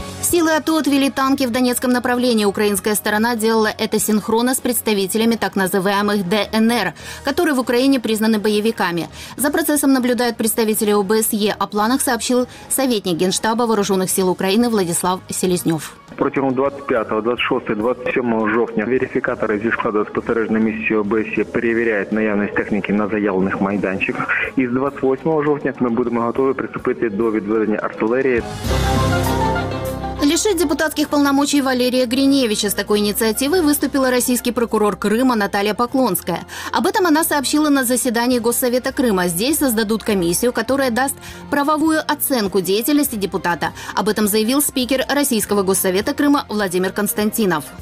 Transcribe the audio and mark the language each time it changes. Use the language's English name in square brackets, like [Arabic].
[Russian] Силы АТО отвели танки в Донецком направлении. Украинская сторона делала это синхронно с представителями так называемых ДНР, которые в Украине признаны боевиками. За процессом наблюдают представители ОБСЕ. О планах сообщил советник Генштаба Вооруженных сил Украины Владислав Селезнев. [Ukrainian] Протягом 25, 26, 27 жовтня верифікатори зі складу спостережної місії ОБСЄ перевіряють наявність техніки на заявлених майданчиках. І з 28 жовтня ми будемо готові приступити до відведення артилерії. [Russian] Лишить депутатских полномочий Валерия Гриневича. С такой инициативой выступила российский прокурор Крыма Наталья Поклонская. Об этом она сообщила на заседании Госсовета Крыма. Здесь создадут комиссию, которая даст правовую оценку деятельности депутата. Об этом заявил спикер российского Госсовета Крыма Владимир Константинов.